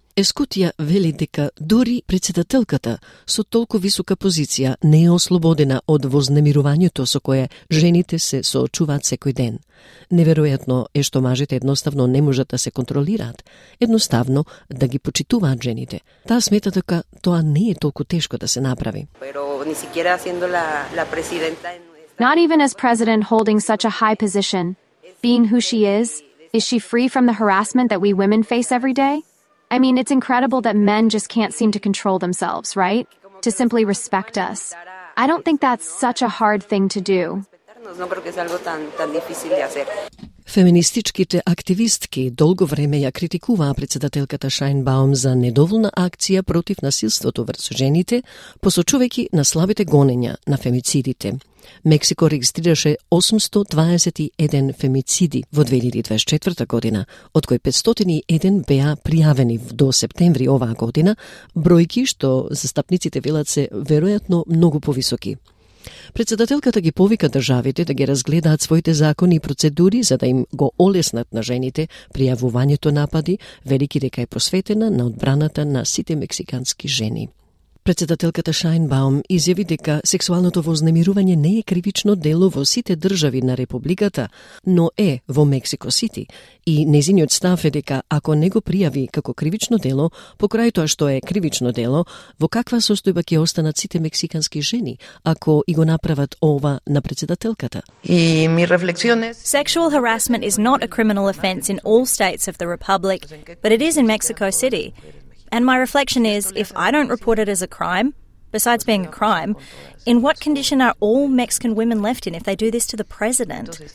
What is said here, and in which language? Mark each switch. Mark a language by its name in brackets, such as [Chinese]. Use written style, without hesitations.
[Macedonian] Ескутија вели дека дури председателката со толку висока позиција не е ослободена од вознемирувањето со кое жените се соочуваат секој ден. Неверојатно е што мажите едноставно не можат да се контролираат, едноставно да ги почитуваат жените. Таа смета дека тоа не е толку тешко да се направи. [English] Not even as president holding such a high position, being who she is she free from the harassment that we women face every day? I mean, it's incredible that men just can't seem to control themselves, right? To simply respect us. I don't think that's such a hard thing to do. [Macedonian] Феминистичките активистки долго време ја критикуваа председателката Шајнбаум за недоволна акција против насилството врз жените, посочувајќи на слабите гонења на фемицидите. Мексико регистрираше 821 фемициди во 2024 година, од кои 501 беа пријавени до септември оваа година, бројки што застапниците велат се веројатно многу повисоки. Председателката ги повика државите да ги разгледаат своите закони и процедури за да им го олеснат на жените пријавувањето напади, велики дека е посветена на одбраната на сите мексикански жени. Председателката Шајнбаум изјави дека сексуалното вознемирување не е кривично дело во сите држави на републиката, но е во Мексико Сити. И незиниот став е дека ако не го пријави како кривично дело, покрај тоа што е кривично дело, во каква состојба ќе останат сите мексикански жени ако и го направат ова на председателката? И ми рефлексионе. [English] Sexual harassment is not a criminal offense in all states of the republic, but it is in Mexico City. And my reflection is, if I don't report it as a crime, besides being a crime, in what condition are all Mexican women left in if they do this to the president?